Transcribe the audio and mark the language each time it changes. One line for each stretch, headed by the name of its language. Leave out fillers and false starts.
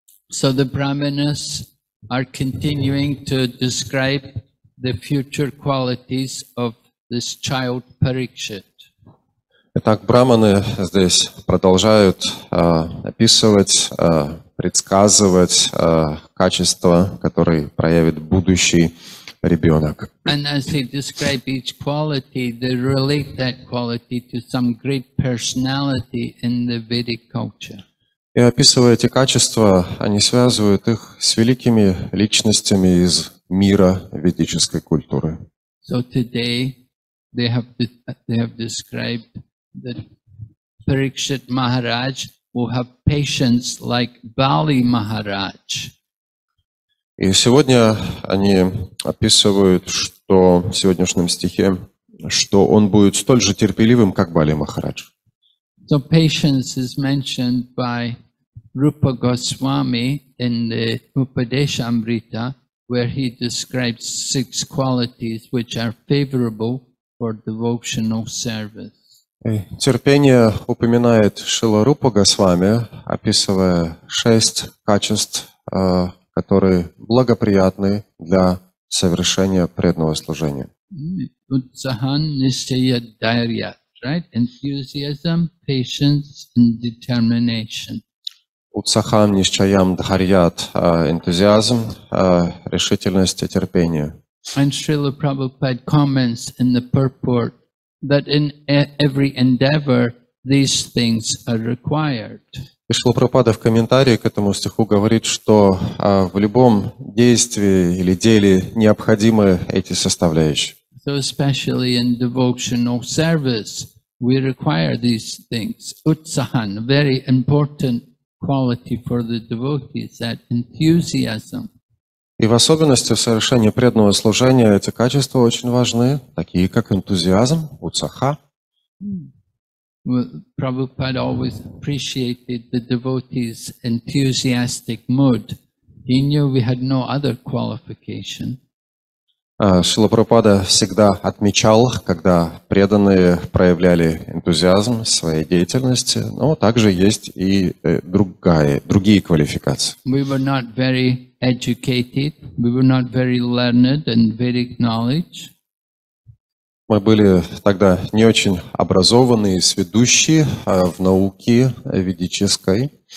English: So the Brahmanas are continuing to describe the future qualities of this child Parikshit.
Russian: Итак, браманы здесь продолжают описывать, предсказывать качества, которые проявит будущий ребенок.
English: And as they describe each quality, they relate that quality to some great personality in the Vedic culture.
Russian: И описывая эти качества, они связывают их с великими личностями из мира ведической культуры.
English: So today they have described that Parikshit Maharaj will have patience like Bali Maharaj.
Russian: И сегодня они описывают, что в сегодняшнем стихе, что он будет столь же терпеливым, как Бали Махарадж.
English: So patience is mentioned by Rupa Goswami in the Upadeshamrita, where he describes six qualities which are favorable for devotional service.
Russian: Терпение упоминает Шрила Рупа Госвами, описывая шесть качеств, которые благоприятны для совершения преданного служения.
Sanskrit: Utsahan nishchaya dhairya,
English: right? Enthusiasm, patience, and determination.
Sanskrit: Утсахам нишчаям дхарьят
Russian: энтузиазм, решительность и терпение.
English: And Srila Prabhupada comments in the purport that in every endeavor these things are required.
Russian: И Шрила Прабхупада в комментарии к этому стиху говорит, что в любом действии или деле необходимы эти составляющие.
English: So especially in devotional service we require these things. Utsahan, very important quality for the devotees, that enthusiasm.
Russian: И в особенности в совершении преданного служения эти качества очень важны, такие как энтузиазм, утсаха.
English: Well, Prabhupada always appreciated the devotees' enthusiastic mood. He knew we had no other qualification.
Russian: Шрила Прабхупада всегда отмечал, когда преданные проявляли энтузиазм в своей деятельности, но также есть и другие квалификации.
English: We were not very educated, we were not very learned in Vedic knowledge.
Russian: Мы были тогда не очень образованные и сведущие в науке ведической.